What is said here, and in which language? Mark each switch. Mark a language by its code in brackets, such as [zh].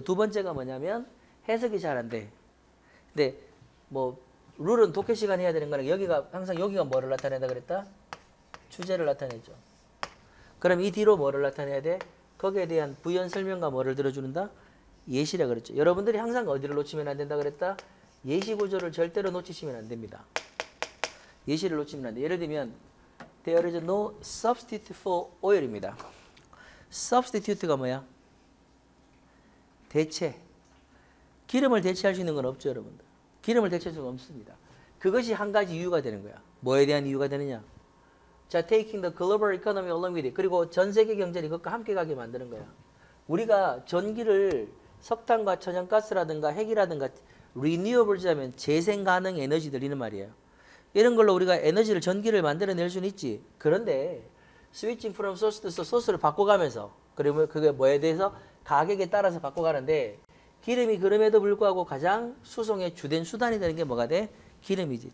[ko] 두 번째가 뭐냐면 해석이 잘안 돼. 근데 뭐, 룰은 독해 시간 해야 되는 거는 여기가, 항상 여기가 뭐를 나타낸다 그랬다? 주제를 나타내죠. 그럼 이 뒤로 뭐를 나타내야 돼? 거기에 대한 부연 설명과 뭐를 들어주는다? 예시라 그랬죠. 여러분들이 항상 어디를 놓치면 안 된다 그랬다? 예시 구조를 절대로 놓치시면 안 됩니다. 예시를 놓치면 안 돼. 예를 들면 [en] there is no substitute for oil입니다. [ko] substitute가 뭐야? 대체. 기름을 대체할 수 있는 건 없죠, 여러분들. 기름을 대체할 수가 없습니다. 그것이 한 가지 이유가 되는 거야. 뭐에 대한 이유가 되느냐? [en] 자, taking the global economy along with it. [ko] 그리고 전 세계 경제를 그것과 함께 가게 만드는 거야. 우리가 전기를 석탄과 천연가스라든가 핵이라든가 renewables 하면 재생 가능 에너지 들리는 말이에요. 이런 걸로 우리가 에너지를 전기를 만들어낼 수는 있지. 그런데 [en] switching from source to source, [ko] 소스를 바꿔가면서 그러면 그게 뭐에 대해서 가격에 따라서 바꿔가는데 기름이 그럼에도 불구하고 가장 수송의 주된 수단이 되는 게 뭐가 돼? 기름이지.